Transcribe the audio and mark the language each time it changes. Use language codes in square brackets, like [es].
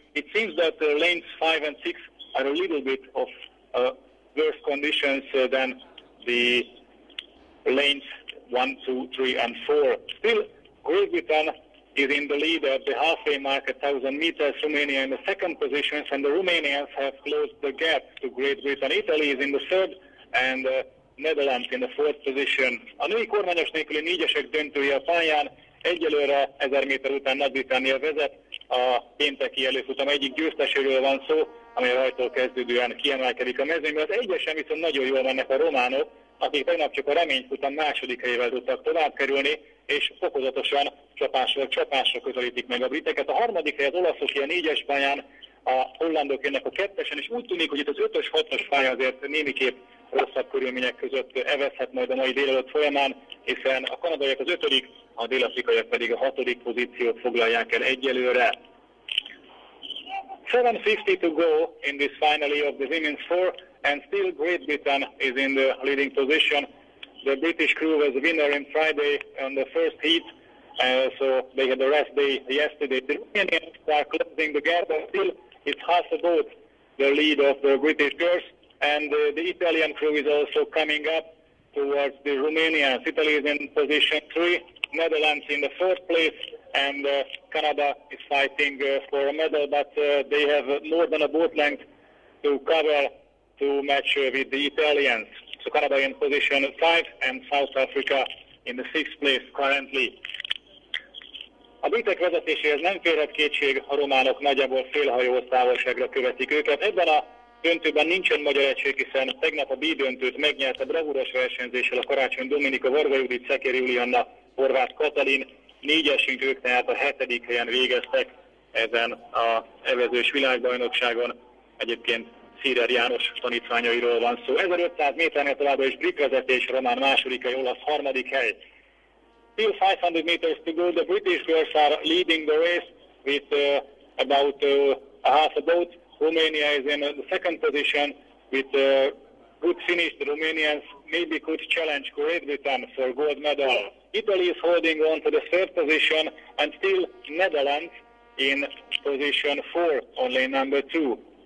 [en] It seems that lanes five and six are a little bit of worse conditions than the lanes one, two, three, and four. Still, Great Britain is in the lead at the halfway mark, 1,000 meters, Romania in the second position, and the Romanians have closed the gap to Great Britain. Italy is in the third, and Netherlands in the fourth position. [hu] A női kormányos nélküli négyesek döntője a pályán, egyelőre 1000 méter után Nagy-Britannia vezet, a pénteki előfutam egyik győzteséről van szó, amely rajtól kezdődően kiemelkedik a mezőnybe. Az egyesen viszont nagyon jól mennek a románok, akik tegnap csak a reményfutam második helyével tudtak tovább kerülni, és fokozatosan csapásra közelítik meg a briteket. A harmadik hely az olaszok ilyen négyes pályán, a hollandok jönnek a kettesen, és úgy tűnik, hogy itt az ötös, hatos pálya azért némiképp rosszabb körülmények között evezhet majd a mai délelőtt folyamán, hiszen a kanadaiak az ötödik, a dél-afrikaiak pedig a hatodik pozíciót foglalják el egyelőre. [en] 7:50 to go in this final of the women's four, and still Great Britain is in the leading position. The British crew was the winner in Friday on the first heat, so they had a rest day yesterday. The Romanians are closing the gap, but still it's half a boat, the lead of the British girls, and the Italian crew is also coming up towards the Romanians. Italy is in position three, Netherlands in the fourth place, and Canada is fighting for a medal, but they have more than a boat length to cover to match with the Italians. So Canada in position 5 and South Africa in the 6th place currently. [hu] A britek vezetéséhez nem férhet kétség, a románok nagyjából félhajó távolságra követik őket. Ebben a döntőben nincsen magyar egység, hiszen tegnap a B döntőt megnyerte bravúros versenyzéssel a karácsony Dominika Varga Judit, Szekér Julianna, Horváth Katalin. Négyesünk ők tehát a 7. helyen végeztek ezen a evezős világbajnokságon. Egyébként Szírer János tanítványairól van szó. 1500 méternél továbbra is brit vezetés, román második hely, olasz harmadik hely. [en] Still 500 meters to go, the British girls are leading the race with about a half a boat. Romania is in the second position with a good finish. The Romanians maybe could challenge Great Britain for gold medal. Italy is holding on to the third position, and still Netherlands in position four, only number two.